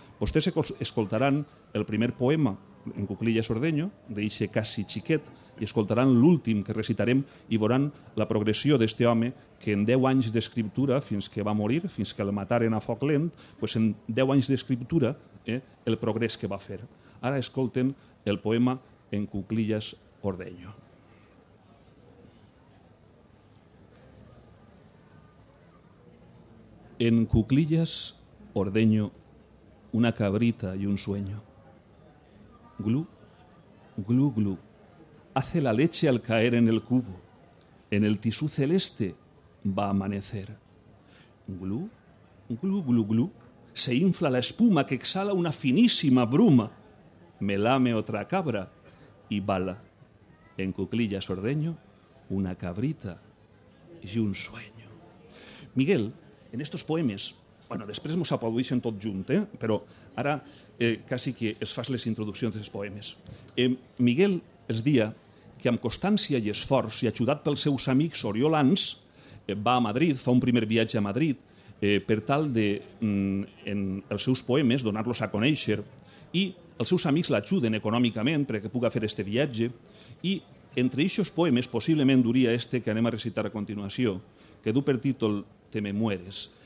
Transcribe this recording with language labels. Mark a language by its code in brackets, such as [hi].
[ca] Vostès escoltaran el primer poema, [es] En cuclillas ordeño, [ca] d'eixe quasi xiquet, i escoltaran l'últim que recitarem i veuran la progressió d'este home que en 10 anys d'escriptura, fins que va morir, fins que el mataren a foc lent, pues en 10 anys d'escriptura, el progrés que va fer. Ara escolten el poema [es] En cuclillas ordeño. En cuclillas ordeño una cabrita y un sueño. Glu, glu, glu, hace la leche al caer en el cubo. En el tisú celeste va a amanecer. Glu, glu, glu, glu, se infla la espuma que exhala una finísima bruma. Me lame otra cabra y bala. En cuclillas ordeño una cabrita y un sueño. [ca] Miguel, en estos poemes, bueno, després mos aplaudixen tot junt, però ara quasi que es fas les introduccions dels poemes. Miguel es dia que amb constància i esforç i ajudat pels seus amics oriolans va a Madrid, fa un primer viatge a Madrid per tal de, en els seus poemes, donar-los a conèixer, i els seus amics l'ajuden econòmicament perquè puga fer este viatge, i entre aquests poemes possiblement duria este que anem a recitar a continuació, que du per títol Te me mueres.